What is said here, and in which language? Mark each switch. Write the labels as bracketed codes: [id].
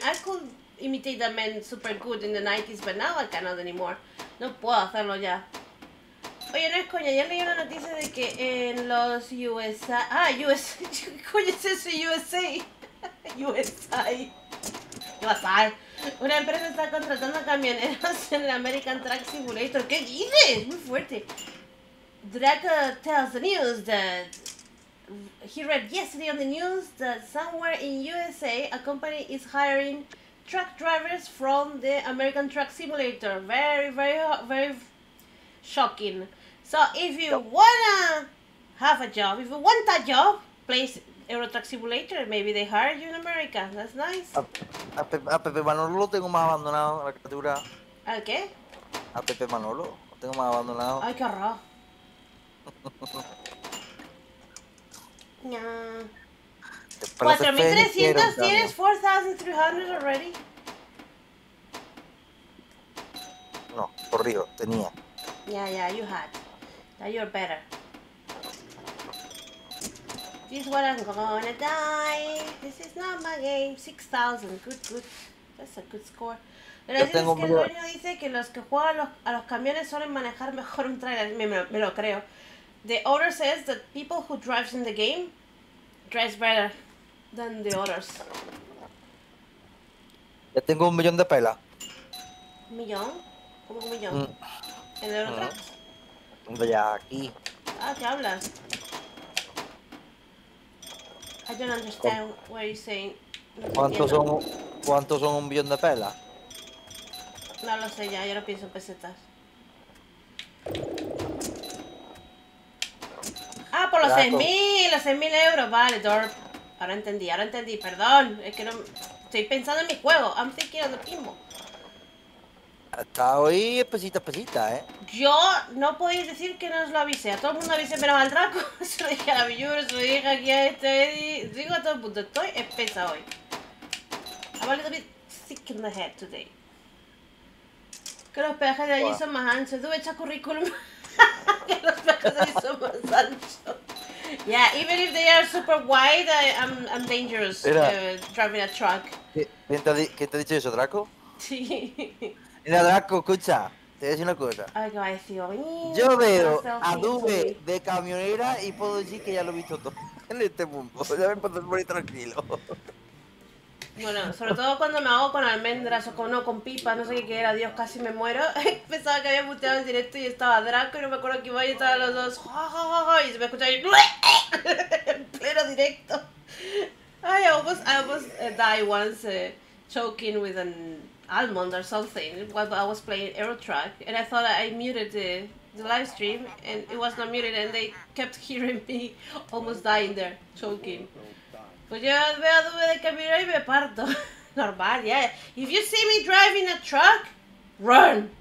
[en] I could imitate a man super good in the 90s, but now I cannot anymore. [es] No puedo hacerlo ya. Oye, no es coña, ya leí una noticia de que en los USA. Ah, USA. ¿Qué coño es eso? USA. USA. ¿Qué va a pasar? Una empresa está contratando camioneros en el American Truck Simulator. ¿Qué dices? Muy fuerte. [en] Draco tells the news that he read yesterday on the news that somewhere in USA a company is hiring truck drivers from the American Truck Simulator. Very, very, very shocking. So if you wanna have a job, if you want a job, please. Euro Truck Simulator, maybe they hired you in America. That's nice. [es] A Pepe Manolo lo tengo más abandonado en la criatura. ¿Al qué? A Pepe Manolo lo tengo más abandonado. Ay, qué horror. No. 4300 tienes, 4300 already. No, corrido, tenía. [en] Yeah, you had. Now you're better. This is what I'm gonna die. This is not my game. 6000, good. That's a good score. [es] Pero yo tengo que el dueño dice que los que juegan a los camiones suelen manejar mejor un trailer. Me lo creo. [en] The owner says that people who drive in the game drive better than the others. [es] Ya tengo un millón de pelas. ¿Un millón? ¿Cómo un millón? ¿En el otro? Vaya, aquí. Ah, ¿qué hablas? [en] I don't understand what you're saying. [es] ¿Cuántos son un millón de pelas? No lo sé ya, yo no pienso en pesetas. Ah, por los 6.000 euros, vale, Dorp. Ahora entendí, perdón. Es que no. Estoy pensando en mi juego. [en] I'm thinking of the pinball. [es] Hasta hoy es pesita, ¿eh? Yo no podéis decir que no os lo avisé. A todo el mundo avisé menos al Draco. Se lo dije a la Viewers, se lo dije aquí a este Eddie. Digo a todo el mundo, estoy espesa hoy. [en] I'm a little bit sick in the head today. [es] Que los peajes de allí son más anchos. Tú echas currículum. Que los peajes de allí son más anchos. [en] Yeah, even if they are super wide, I'm dangerous driving a truck. [es] ¿Qué te ha dicho eso, Draco? Sí. Mira, Draco, escucha, te voy a decir una cosa. Ay, qué va a decir. Yo veo a Dube de camionera y puedo decir que ya lo he visto todo en este mundo. Ya me puedo morir tranquilo. Bueno, sobre todo cuando me hago con almendras o con pipas, no sé qué era, Dios, casi me muero. Pensaba que había muteado en directo y estaba Draco y no me acuerdo que iba y estaban los dos. Y se me escucha ahí. En pleno directo. [en] Ay, I almost died once choking with an almond or something while I was playing Aero Truck, and I thought I muted the live stream and it was not muted and they kept hearing me almost dying there, choking. [es] Pues yo veo dónde de camino y me parto. [en] Normal, yeah. If you see me driving a truck, run.